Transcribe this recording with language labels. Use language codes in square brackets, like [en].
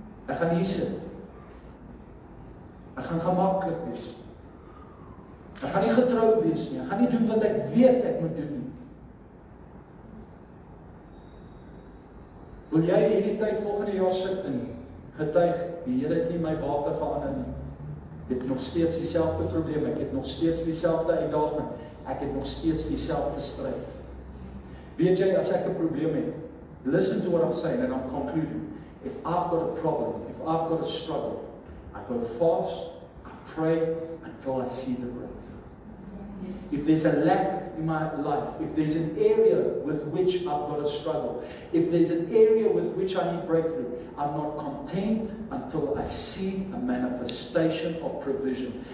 [af] Ek gaan hier sit. Ek gaan gemaklik wees. Ek gaan nie getrou wees nie. Ek gaan nie doen wat ek weet ek moet doen nie. Wil jy hierdie tyd volgende jaar sit en getuig, die Here het nie my water verander nie. Ek het nog steeds dieselfde probleem, ek het nog steeds dieselfde uitdaging, ek het nog steeds dieselfde stryd. Weet jy, as ek 'n probleem het, [en] listen to what I'm saying and I'm concluding. If I've got a problem, if I've got a struggle, I go fast, I pray until I see the breakthrough. If there's a lack in my life, if there's an area with which I've got a struggle, if there's an area with which I need breakthrough, I'm not content until I see a manifestation of provision.